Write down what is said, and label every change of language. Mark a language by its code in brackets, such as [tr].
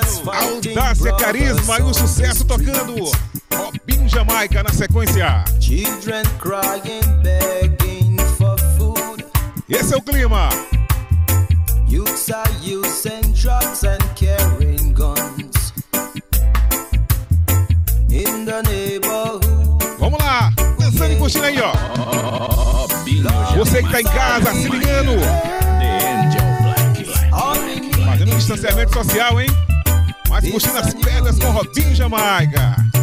[pt] Audácia, carisma e o sucesso tocando. Robinho Jamaica na sequência. [en] Children crying, begging for food. [pt] Esse é o clima. [en] Youths are using drugs and carrying guns in the neighborhood. [pt] Vamos lá, lançando em coxinha aí, ó. Você que tá em casa, se ligando. [en] The Angel Black, [pt] fazendo um distanciamento social, hein? Mas coxinha as pedras com Robinho Jamaica.